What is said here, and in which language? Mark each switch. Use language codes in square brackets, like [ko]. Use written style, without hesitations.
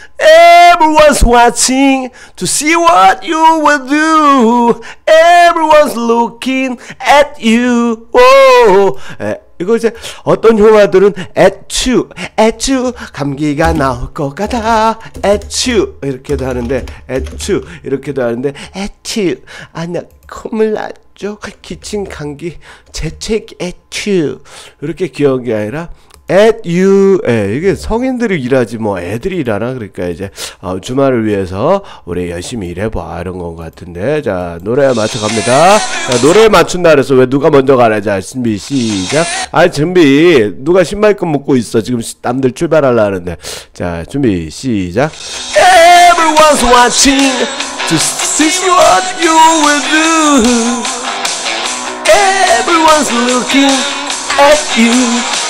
[en] Everyone's watching to see what you will do. Everyone's looking at you. Whoa. [ko] 이거 이제 어떤 형아들은 at you 감기가 나올 것 같아 at you 이렇게도 하는데 at you 이렇게도 하는데 at you 아니야 콧물 났죠 기침 감기 재채기 at you 이렇게 기억이 아니라 at you 예, 이게 성인들이 일하지 뭐 애들이 일하나 그러니까 이제 주말을 위해서 우리 열심히 일해봐 이런 것 같은데 자 노래 맞춰 갑니다. 자, 노래 맞춘다 그래서 왜 누가 먼저 가래 자 준비 시작. 아 준비 누가 신발끈 묶고 있어 지금 남들 출발하려 하는데 자 준비 시작. [en] Everyone's watching to see what you will do. Everyone's looking at you.